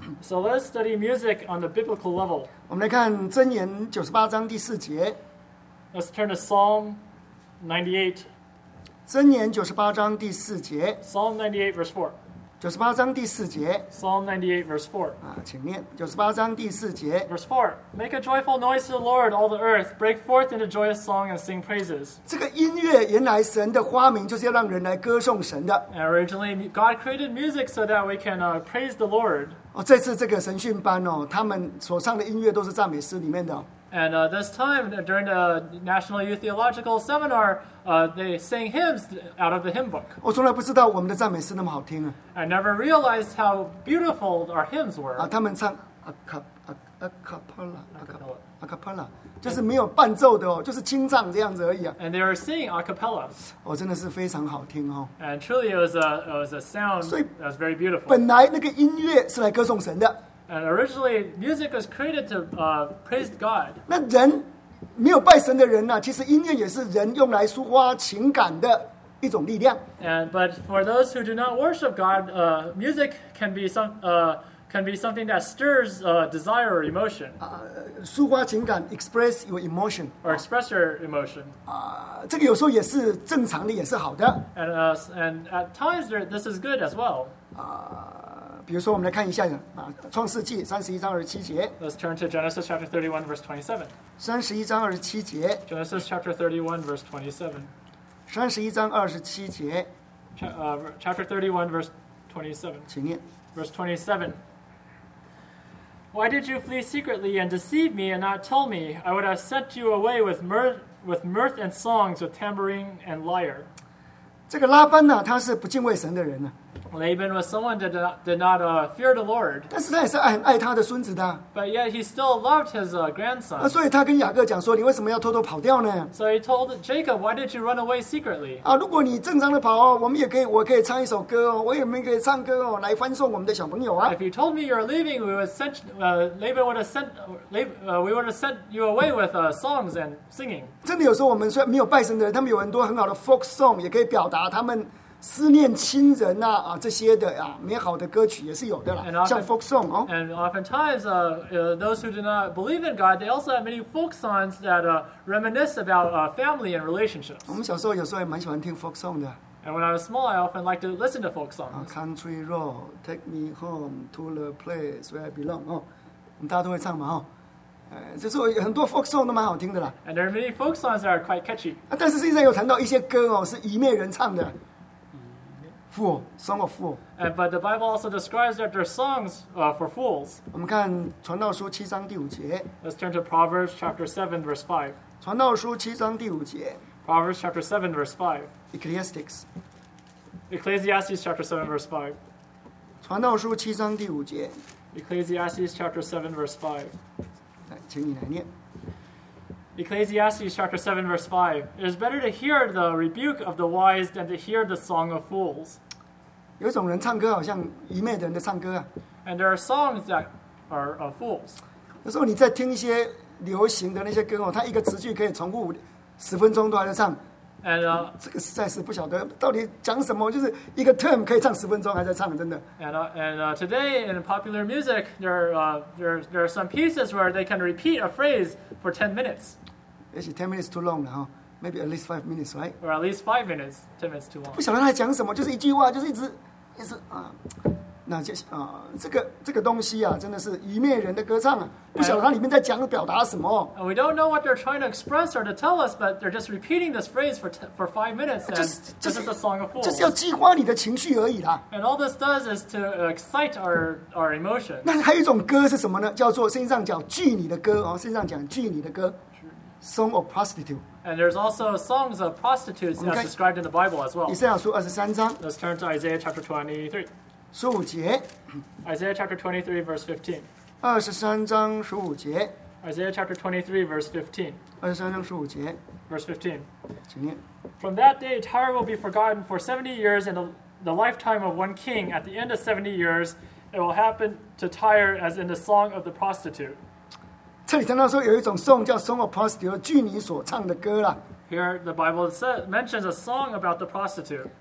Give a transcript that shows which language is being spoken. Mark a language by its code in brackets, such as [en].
[en] So let's study music on the biblical level. [zh] 我们来看箴言九十八章第四节。 [en] Let's turn to Psalm 98. [zh] 箴言九十八章第四节。 [en] Psalm 98 verse 4。 [zh] 九十八章第四节。 [en] Psalm 98 verse 4。 [zh] 请念九十八章第四节。 [en] Verse 4. Make a joyful noise to the Lord, all the earth. Break forth into joyous song and sing praises. [zh] 这个音乐原来神的发明就是要让人来歌颂神的。 [en] And originally, God created music so that we can praise the Lord. [zh] 这次这个神训班哦，他们所唱的音乐都是赞美诗里面的。 [en] And this time, during the National Youth Theological Seminar, they sang hymns out of the hymn book. [zh] 我从来不知道我们的赞美诗那么好听啊。 [en] I never realized how beautiful our hymns were. [zh] 他们唱 a cappella, 就是没有伴奏的哦，就是清唱这样子而已啊。 [en] And they were singing a cappella. [zh] 真的是非常好听哦。 [en] And truly, it was a sound that was very beautiful. [zh] 本来那个音乐是来歌颂神的。 [en] And originally, music was created to praise God. [zh] 那人没有拜神的人呢、啊？其实音乐也是人用来抒发情感的一种力量。 [en] And but for those who do not worship God, music can be something that stirs desire or emotion. [zh] 抒发情感 [en] ，express your emotion, or express your emotion. [zh] 这个有时候也是正常的，也是好的。 [en] And at times, this is good as well. [zh] 比如说，我们来看一下创世纪三十一章二十七节。 [en] Let's turn to Genesis chapter 31 verse 27。 [zh] 三十一章二十七节。 [en] Genesis chapter 31 verse 27。 [zh] 三十一章二十七节。 [en] Chapter 31 verse 27。 [zh] 请念。 [en] Verse 27. Why did you flee secretly and deceive me and not tell me? I would have sent you away with mirth and songs, with tambourine and lyre. [zh] 这个拉班呢、啊，他是不敬畏神的人呢、啊。 [en] Laban was someone that did not fear the Lord. [zh] 但是他也是爱他的孙子的。 [en] But yet he still loved his grandson. [zh] 所以他跟雅各讲说，你为什么要偷偷跑掉呢？ [en] So he told Jacob, why did you run away secretly? [zh] 啊，如果你正常的跑哦，我们也可以，我可以唱一首歌哦，我也可以唱歌哦，来欢送我们的小朋友啊。 [en] If you told me you're leaving, we would send Laban would have sent we would have sent you away with songs and singing. [zh] 真的有时候我们虽然没有拜神的人，他们有很多很好的 folk song， 也可以表达他们。思念亲人 这些的啊，美好的歌曲也是有的啦，像 folk song 哦。 [en] And oftentimes, those who do not believe in God, they also have many folk songs that reminisce about family and relationships. [zh] 我们小时候有时候也蛮喜欢听 folk song 的。 [en] And when I was small, I often liked to listen to folk songs. Country road, take me home to the place where I belong. [zh] 哦，我们大家都会唱嘛，哦。就是很多 folk song 都蛮好听的啦。 [en] And there are many folk songs that are quite catchy. [zh] 但是现在有谈到一些歌哦，是以面人唱的。 [en] Fool, song of fool. But the Bible also describes that there are songs for fools. [zh] 我们看《传道书》七章第五节。 [en] Let's turn to Proverbs chapter 7, verse 5. [zh] 传道书七章第五节。 [en] Proverbs chapter 7, verse 5. Ecclesiastes. Ecclesiastes chapter 7, verse 5. [zh] 传道书七章第五节。 [en] Ecclesiastes chapter 7, verse 5. 来，请你来念。 Ecclesiastes chapter 7 verse 5. It is better to hear the rebuke of the wise than to hear the song of fools. [zh] 有一种人唱歌好像愚昧的人的唱歌啊。 [en] And there are songs that are of fools. [zh] 有时候你在听一些流行的那些歌哦，他一个词句可以重复十分钟都还在唱。 [en] And, [zh] 这个实在是不晓得到底讲什么，就是一个 term 可以唱十分钟还在唱，真的。 [en] And today in popular music, there are some pieces where they can repeat a phrase for 10 minutes. It's 10 minutes too long, huh? Maybe at least 5 minutes, right? Or at least 5 minutes, 10 minutes too long. [zh] 不晓得他讲什么，就是一句话，就是一直啊。那就是这个东西啊，真的是愚昧人的歌唱啊，不晓得它里面在讲表达什么。 [en] And we don't know what they're trying to express or to tell us, but they're just repeating this phrase for 5 minutes. Just this is a song of fools. [zh] 就是要激化你的情绪而已啦。 [en] And all this does is to excite our emotion. [zh] 那还有一种歌是什么呢？叫做圣上讲妓女的歌哦，圣上讲妓女的歌 ， [en] Song of Prostitute. And there's also songs of prostitutes as described in the Bible as well. [zh] 以赛亚书二十三章。 [en] Let's turn to Isaiah chapter 23. [zh] 十五节 [en] ，Isaiah chapter 23 verse 15。 [zh] 二十三章十五节 [en] ，Isaiah chapter 23 verse 15。 [zh] 二十三章十五节 [en] ，verse 15。 [zh] 请念。 [en] From that day, Tyre will be forgotten for 70 years, and the lifetime of one king. At the end of 70 years, it will happen to Tyre as in the song of the prostitute. [zh] 这里谈到说有一种颂叫 [en] Song of Prostitute， [zh] 妓女所唱的歌啦。 [en] Here the Bible mentions a song about the prostitute.